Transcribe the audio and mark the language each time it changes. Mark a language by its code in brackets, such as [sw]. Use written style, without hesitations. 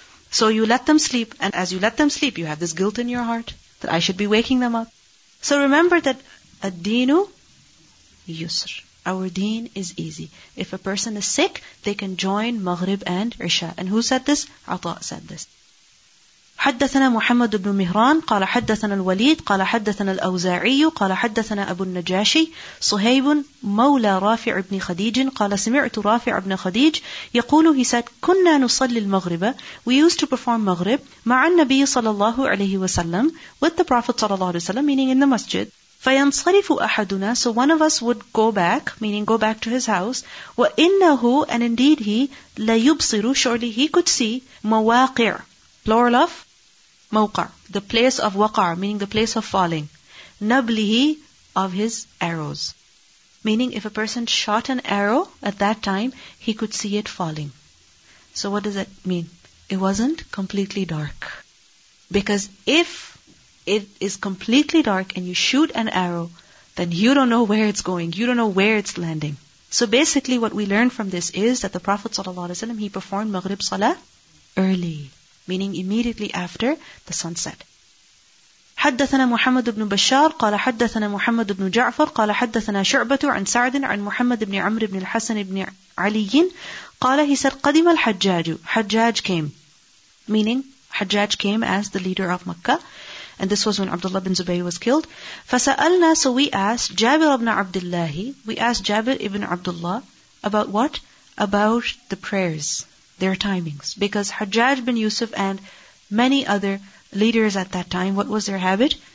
[en] So you let them sleep, and as you let them sleep, you have this guilt in your heart that I should be waking them up. So remember that ad-deenu yusr. Our deen is easy. If a person is sick, they can join Maghrib and Isha. And who said this? Ata said this. [ar] حدثنا محمد بن مهران قال حدثنا الوليد قال حدثنا الأوزاعي قال حدثنا أبو النجاشي صهيب مولى رافع بن خديج قال سمعت رافع بن خديج يقول, he said, كنا نصلي المغرب, [en] we used to perform [ar] مغرب مع النبي صلى الله عليه وسلم, [en] with the Prophet [ar] صلى الله عليه وسلم, [en] meaning in the masjid. [ar] فينصرف أحدنا, [en] so one of us would go back, meaning go back to his house. وإنه, and indeed he, ليبصر, surely he could see, مواقع, plural of mawqa, the place of waqa', meaning the place of falling. Nablihi, of his arrows. Meaning if a person shot an arrow at that time, he could see it falling. So what does that mean? It wasn't completely dark. Because if it is completely dark and you shoot an arrow, then you don't know where it's going, you don't know where it's landing. So basically what we learn from this is that the Prophet ﷺ, he performed Maghrib Salah early, meaning immediately after the sunset. [ar] حدثنا محمد بن بشار قال حدثنا محمد بن جعفر قال حدثنا شعبة عن سعد عن محمد بن عمرو بن الحسن بن علي قال, he said, قدم الحجاج, حجاج came, meaning حجاج [en] came as the leader of Mecca, And this was when Abdullah bin Zubayr was killed. [ar] فَسَأَلْنَا, [en] so we asked Jabir ibn Abdullah, we asked Jabir ibn Abdullah about what? About the prayers, their timings. Because Hajjaj bin Yusuf and many other leaders at that time, what was their habit?